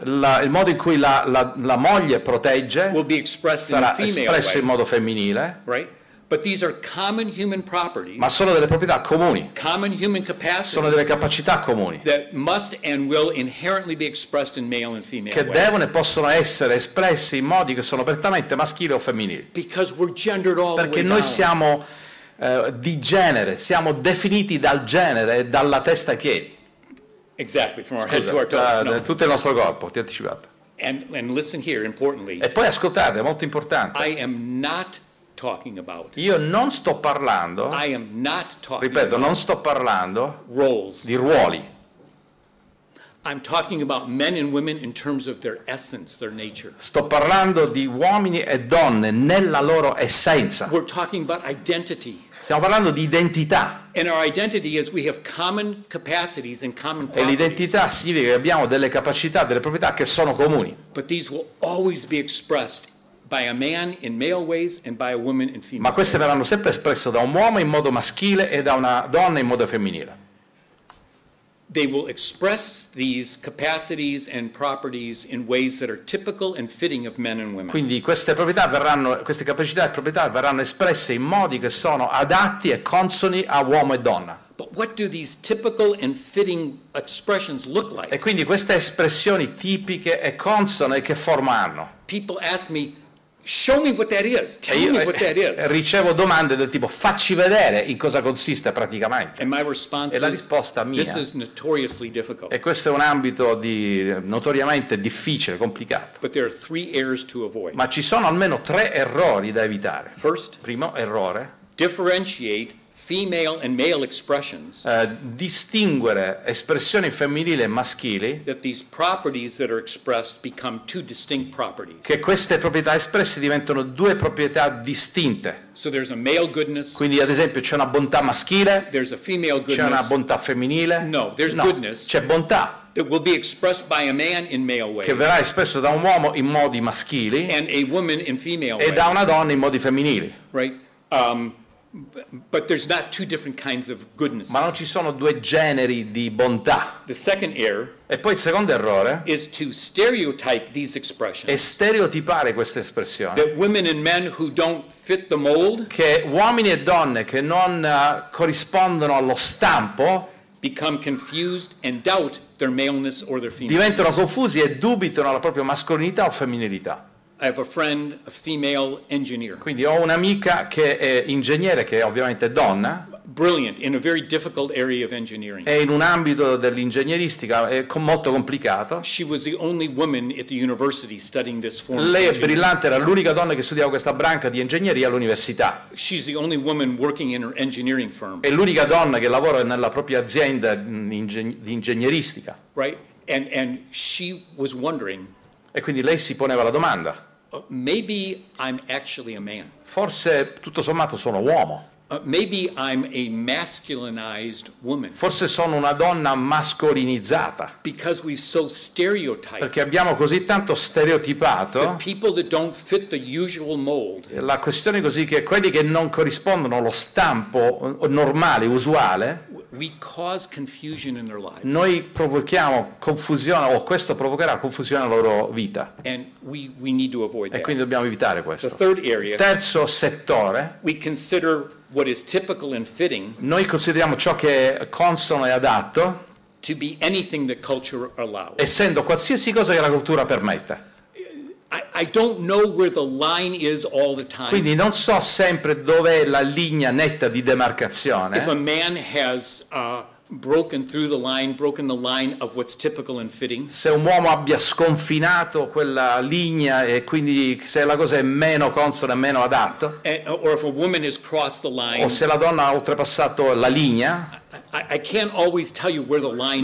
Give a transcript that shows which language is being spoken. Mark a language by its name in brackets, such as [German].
[Italian] il modo in cui la moglie protegge [English] will be expressed [Italian] sarà [English] in a female [Italian] sarà espresso [English] way. [Italian] In modo femminile [English] right but these are common human properties [Italian] ma sono delle proprietà comuni [English] common human capacities [Italian] sono delle capacità comuni [English] that must and will inherently be expressed in male and female [Italian] che [English] ways. [Italian] Devono e possono essere espressi in modi che sono prettamente maschili o femminili [English] because we're gendered all [Italian] perché [English] the way [Italian] noi [English] down. [Italian] Siamo di genere siamo definiti dal genere dalla testa ai piedi [English] exactly from our [Italian] Scusa, [English] head to our toes no. [Italian] Tutto il nostro corpo ti ho anticipato [English] and listen here importantly [Italian] e poi ascoltate è molto importante [English] I am not talking about. [Italian] Io non sto parlando. [English] I am not talking. [Italian] Ripeto, [English] about [Italian] non sto parlando [English] roles. [Italian] Di ruoli. [English] I'm talking about men and women in terms of their essence, their nature. [Italian] Sto parlando di uomini e donne nella loro essenza. [English] We're talking about identity. [Italian] Stiamo parlando di identità. [English] And our identity is we have common capacities and common properties. [Italian] E l'identità significa che abbiamo delle capacità, delle proprietà che sono comuni. [English] But these will always be expressed by a man in male ways and by a woman in female [Italian] ma queste [English] ways. [Italian] Verranno sempre espresse da un uomo in modo maschile e da una donna in modo femminile. [English] They will express these capacities and properties in ways that are typical and fitting of men and women. [Italian] Quindi queste proprietà verranno queste capacità e proprietà verranno espresse in modi che sono adatti e consoni a uomo e donna. [English] But what do these typical and fitting expressions look like? [Italian] E quindi queste espressioni tipiche e consone che forma hanno? [English] People ask me show me what that is. Tell me what that is. [Italian] Ricevo domande del tipo facci vedere in cosa consiste praticamente. [English] And my response [Italian] e la risposta [English] is, [Italian] mia. [English] This is notoriously difficult. [Italian] E questo è un ambito di notoriamente difficile, complicato. [English] But there are three errors to avoid. [Italian] Ma ci sono almeno tre errori da evitare. [English] First, [Italian] primo errore, [English] differentiate female and male expressions, [Italian] distinguere espressioni femminili e maschili, [English] that these properties that are expressed become two distinct properties. [Italian] Che queste proprietà espresse diventano due proprietà distinte. [English] So there's a male goodness. [Italian] Quindi ad esempio c'è una bontà maschile. [English] There's a female goodness. [Italian] C'è una bontà femminile. [English] No, there's [Italian] no, [English] goodness. [Italian] C'è bontà. [English] That will be expressed by a man in male ways. [Italian] Che verrà espresso da un uomo in modi maschili. [English] And a woman in female [Italian] e [English] ways. [Italian] E da una donna in modi femminili. [English] Right. But there's not two different kinds of goodness. [Italian] Ma non ci sono due generi di bontà. [English] The second error. [Italian] E poi il secondo errore. [English] Is to stereotype these expressions. [Italian] È stereotipare queste espressioni. [English] That women and men who don't fit the mold. [Italian] Che uomini e donne che non corrispondono allo stampo. [English] Become confused and doubt their maleness or their femaleness. [Italian] Diventano confusi e dubitano la propria mascolinità o femminilità. [English] I have a friend, a female engineer. [Italian] Quindi ho un'amica che è ingegnere, che è ovviamente donna. [English] Brilliant in a very difficult area of engineering. [Italian] È in un ambito dell'ingegneristica è molto complicato. [English] She was the only woman at the university studying this form. [Italian] Lei è brillante, era l'unica donna che studiava questa branca di ingegneria all'università. [English] She's the only woman working in her engineering firm. [Italian] È l'unica donna che lavora nella propria azienda di ingegneristica. [English] Right, and she was wondering. [Italian] E quindi lei si poneva la domanda. [English] Maybe I'm actually a man. [Italian] Forse tutto sommato sono uomo. [English] Maybe I'm a masculinized woman. [Italian] Forse sono una donna mascolinizzata. [English] Because we've so stereotyped. [Italian] Perché abbiamo così tanto stereotipato. [English] The people that don't fit the usual mold. [Italian] La questione è così che quelli che non corrispondono allo stampo normale, usuale. [English] We cause confusion in their lives. [Italian] Noi provochiamo confusione o questo provocherà confusione nella loro vita. [English] And we need to avoid [Italian] e [English] that. [Italian] Quindi dobbiamo evitare questo. [English] The third area, [Italian] terzo settore. [English] We consider what is typical and fitting. [Italian] Noi consideriamo ciò che è consono e adatto. [English] To be anything that culture allows. [Italian] Essendo qualsiasi cosa che la cultura permetta. [English] I don't know where the line is all the time. [Italian] Quindi non so sempre dov'è la linea netta di demarcazione. [English] If a man has broken through the line, broken the line of what's typical and fitting. [Italian] Se un uomo abbia sconfinato quella linea e quindi se la cosa è meno consona, meno adatta. [English] Or if a woman has crossed the line. [Italian] O se la donna ha oltrepassato la linea. [English] I can't always tell you where the line